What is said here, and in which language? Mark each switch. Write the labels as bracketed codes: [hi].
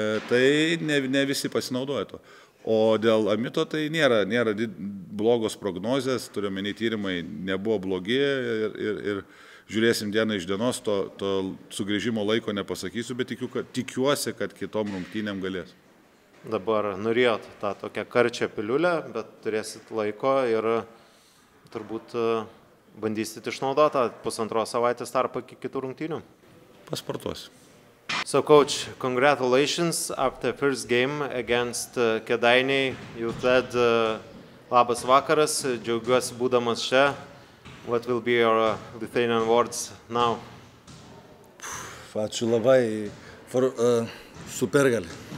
[lt] Tai ne visi pasinaudoja to. O dėl Amito tai nėra blogos prognozės, turiu meni tyrimai, nebuvo blogi ir žiūrėsim dieną iš dienos, to sugrįžimo laiko nepasakysiu, bet tikiuosi, kad kitom rungtynėm galės. Dabar norėjot tą tokią karčią piliulę, bet turėsit laiko ir turbūt bandysit išnaudotą pusantros savaitės tarpą iki kitų rungtynių. Pasportuosiu. [en] So, coach, congratulations after first game against Kėdainiai. You said [lt] labas vakaras, džiaugiuosi būdamas čia. [en] What will be your Lithuanian words now? [lt] Ačiū labai for supergalį.